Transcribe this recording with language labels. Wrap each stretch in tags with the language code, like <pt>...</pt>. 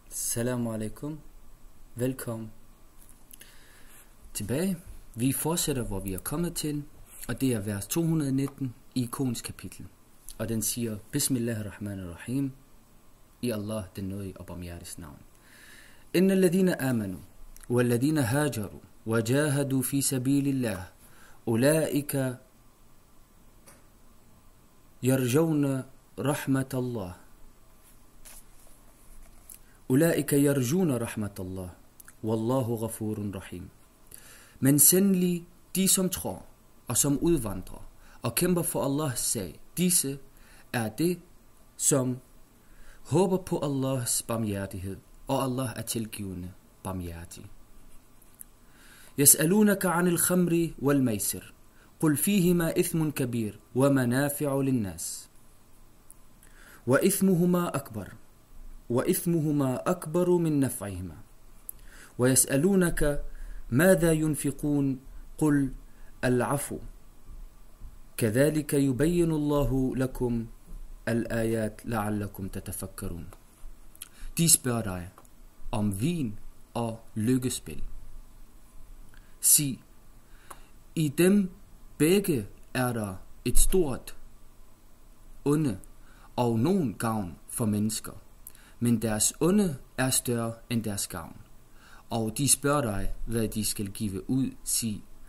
<ar>السلام عليكم، ويلكم تباي.</ar> <da>Vi fortsætter, hvor vi er kommet til, og det er vers 219 i Koens kapitel. Og den siger, Bismillahirrahmanirrahim, i Allah den nåde og barmhjertes navn.</da> <ar>Inna alladhina amanu, wa alladhina hajaru, wa jahadu fi sabilillah, ulaika yarjawna rahmatallah. أولئك يرجون رحمة الله والله غفور رحيم.</ar> <da>Men sendelig de som tror og som udvandrer og kæmper for Allahs sag, disse er det som håber på Allahs barmhjertighed, og Allah er tilgivende barmhjertig.</da> <ar>يسألونك عن الخمر والميسر قل فيهما إثم كبير ومنافع للناس وإثمهما أكبر وإثمهما أكبر من نفعهما ويسألونك ماذا ينفقون قل العفو كذلك يبين الله لكم الآيات لعلكم تتفكرون.</ar> <da>De spørger dig om vin og lykkespil. Sig, i dem begge er der et stort onde og nogen gavn for mennesker. Men deres onde er større end deres gavn. Og de spørger dig, hvad de skal give ud, sig.</da>